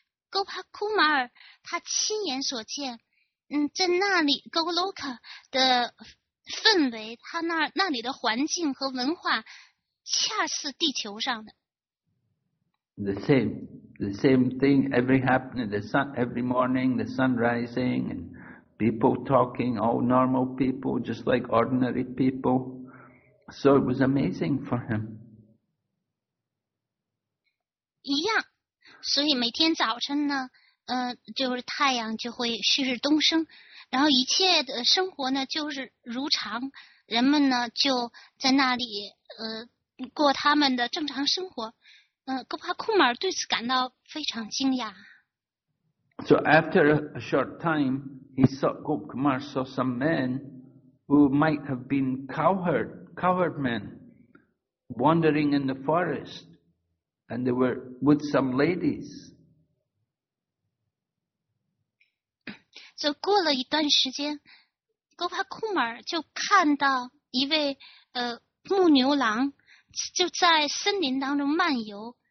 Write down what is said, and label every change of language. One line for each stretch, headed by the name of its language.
Chinese: Gop Kumar, 他亲眼所见，在那里 Goloka 的氛围，他那里的环境和文化，恰似地球上的。
English: The same thing, every happening, the sun, every morning, the sun rising, and people talking, all normal people, just like ordinary people. So it was amazing for him.
Chinese: 一样，所以每天早晨呢，就是太阳就会旭日东升，然后一切的生活呢就是如常，人们呢就在那里过他们的正常生活。戈巴库马尔对此感到非常惊讶。
English: So after a short time, he saw Gop Kumar saw some men who might have been cowherd men wandering in the forest, and they were with some ladies.
Chinese: So 过了一段时间，戈巴库马尔就看到一位牧牛郎就在森林当中漫游。